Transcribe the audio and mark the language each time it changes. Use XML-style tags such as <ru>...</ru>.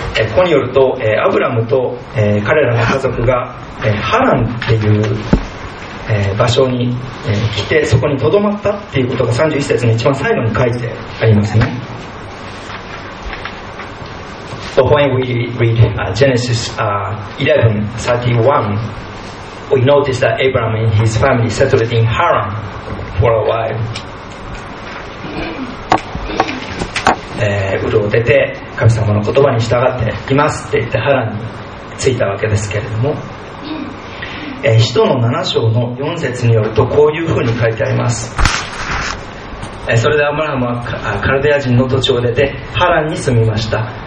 <ja>ここによると、アブラムと、彼らの家族が、ハランっていう場所に来て、そこに留まったっていうことが31節の一番最後に書いてありますね。</ja> <en>So when we read Genesis 11:31, we notice that Abraham and his family settled in Haran for a while.</en> <ja>ウルを出て神様の言葉に従っていますって言ってハランに着いたわけですけれども、使徒の7章の4節によるとこういうふうに書いてあります。それでアブラハムはカルデア人の土地を出てハランに住みました。</ja>